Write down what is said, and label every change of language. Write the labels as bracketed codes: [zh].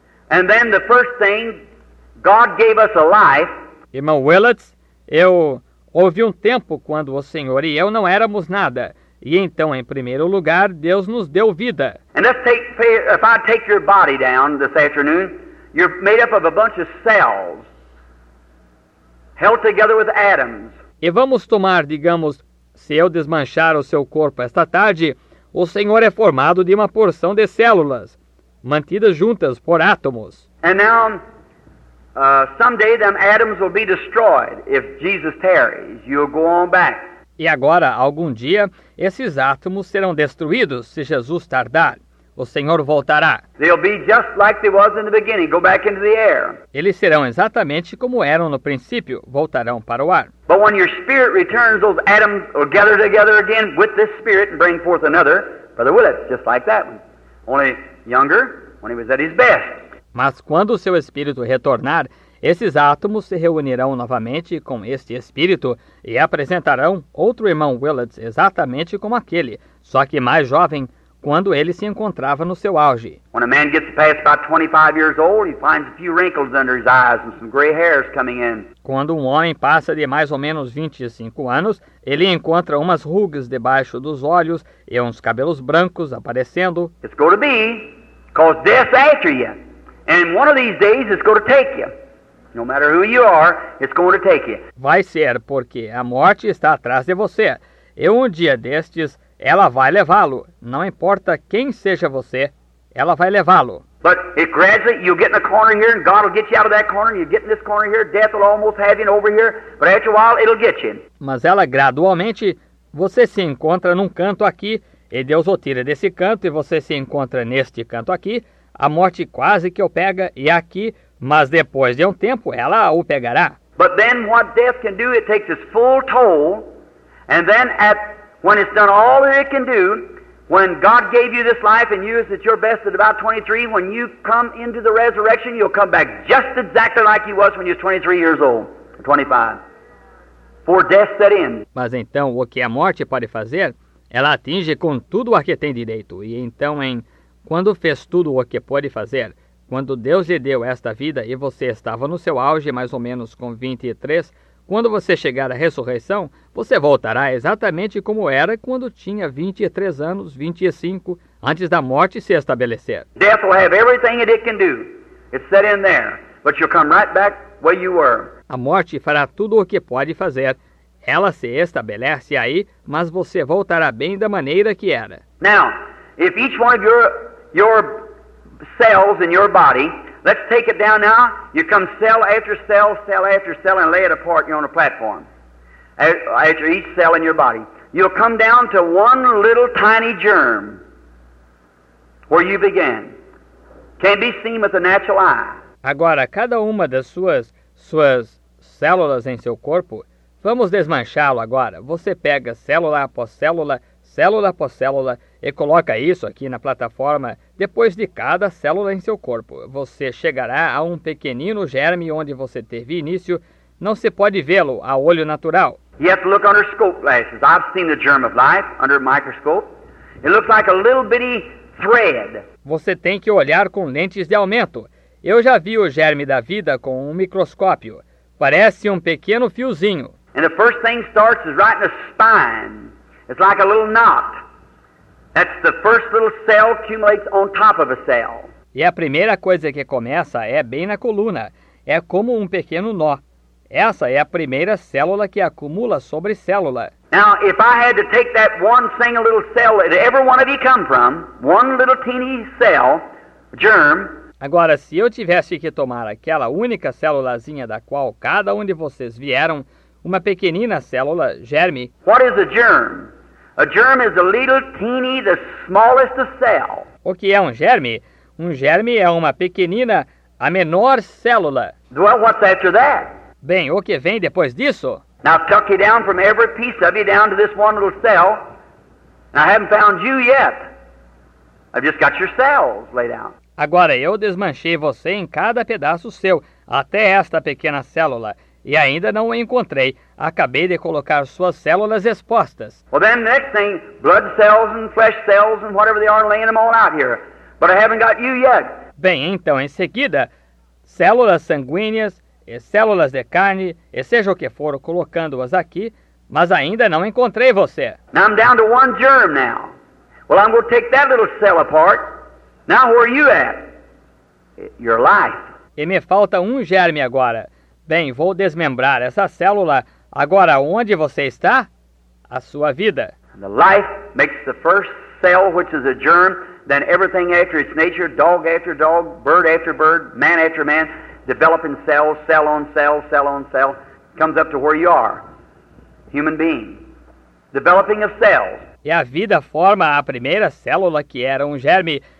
[en] And then the first thing, God gave us a life. [pt] Irmão Willett, houve um tempo quando o Senhor e eu não éramos nada. E então, em primeiro lugar, Deus nos deu vida. [en] And let's take, if I take your body down this afternoon, you're made up of a bunch of cells held together with atoms. [pt] E vamos tomar, digamos, se eu desmanchar o seu corpo esta tarde, o Senhor é formado de uma porção de células, mantidas juntas por átomos. [en] And now, someday them atoms will be destroyed. If Jesus tarries, you'll go on back. [pt] E agora, algum dia, esses átomos serão destruídos se Jesus tardar. O Senhor voltará. [en] They'll be just like they was in the beginning, go back into the air. [pt] Eles serão exatamente como eram no princípio, voltarão para o ar. [en] But when your spirit returns, those atoms will gather together again with this spirit and bring forth another, Brother Willett, just like that one. Only younger, when he was at his best. [pt] Mas quando o seu espírito retornar, esses átomos se reunirão novamente com este espírito e apresentarão outro irmão Willett exatamente como aquele, só que mais jovem, quando ele se encontrava no seu auge. [en] When a man gets past about 25 years old, he finds a few wrinkles under his eyes and some gray hairs coming in. [pt] Quando um homem passa de mais ou menos 25 anos, ele encontra umas rugas debaixo dos olhos e uns cabelos brancos aparecendo. [en] It's going to be because death's after you. And one of these days it's going to take you. No matter who you are, it's going to take you. [pt] Vai ser porque a morte está atrás de você. E um dia destes, ela vai levá-lo. Não importa quem seja você, ela vai levá-lo. [en] But it gradually, you'll get in a corner here, and God will get you out of that corner, and you get in this corner here, death will almost have you over here, but after a while, it'll get you. [pt] Mas ela gradualmente, você se encontra num canto aqui, e Deus o tira desse canto, e você se encontra neste canto aqui, a morte quase que o pega, e aqui, mas depois de um tempo, ela o pegará. [en] But then what death can do, it takes its full toll, and then at when it's done all that it can do, when God gave you this life and you is at your best at about 23, when you come into the resurrection, you'll come back just exactly like you was when you was 23 years old, or 25. For death set in. [pt] Mas então, o que a morte pode fazer, ela atinge com tudo o que tem direito. E então, quando fez tudo o que pode fazer, Quando Deus lhe deu esta vida e você estava no seu auge, mais ou menos com 23, quando você chegar à ressurreição, você voltará exatamente como era quando tinha 23 anos, 25, antes da morte se estabelecer. [en] Death will have everything it can do. It's set in there, but you'll come right back where you were. [pt] A morte fará tudo o que pode fazer. Ela se estabelece aí, mas você voltará bem da maneira que era. [en] Now, if each one of your cells in your body, let's take it down now. You come cell after cell, cell after cell, and lay it apart on a platform. After each cell in your body, you'll come down to one little tiny germ where you began. Can't be seen with the natural eye. [pt] Agora, cada uma das suas células em seu corpo, vamos desmanchá-lo agora. Você pega célula após célula, célula após célula, e coloca isso aqui na plataforma. Depois de cada célula em seu corpo, você chegará a um pequenino germe onde você teve início. Não se pode vê-lo a olho natural. [en] You have to look under scope glasses. I've seen the germ of life under a microscope. It looks like a little bitty thread. [pt] Você tem que olhar com lentes de aumento. Eu já vi o germe da vida com um microscópio. Parece um pequeno fiozinho. [en] And the first thing starts is right in the spine. It's like a little knot. That's the first little cell accumulates on top of a cell. [pt] E a primeira coisa que começa é bem na coluna. É como um pequeno nó. Essa é a primeira célula que acumula sobre célula. [en] Now, if I had to take that one single little cell that every one of you come from, one little teeny cell, germ. [pt] Agora, se eu tivesse que tomar aquela única célulazinha da qual cada um de vocês vieram, uma pequenina célula, germe. [en] What is a germ? A germ is a little teeny, the smallest of cell. [pt] O que é um germe? Um germe é uma pequenina, a menor célula. [en] Well, what's after that? [pt] Bem, o que vem depois disso? [en] Now tuck you down from every piece of you down to this one little cell. I haven't found you yet. I've just got your cells laid out. [pt] Agora eu desmanchei você em cada pedaço seu, até esta pequena célula, e ainda não o encontrei. Acabei de colocar suas células expostas. [en] Well, then the next thing, blood cells and flesh cells and whatever they are, laying them all out here. But I haven't got you yet. [pt] Bem, então, em seguida, células sanguíneas e células de carne, e seja o que for, colocando-as aqui, mas ainda não encontrei você. [en] Now I'm down to one germ now. Well, I'm going to take that little cell apart. Now where are you at? Your life. [pt] E me falta um germe agora. Bem, vou desmembrar essa célula. Agora, onde você está? A sua vida. [en] The life makes the first cell, which is a germ, then everything after its nature, dog after dog, bird after bird, man after man, developing cells, cell on cell, cell on cell, comes up to where you are, human being, developing of cells. [pt] E a vida forma a primeira célula, que era um germe.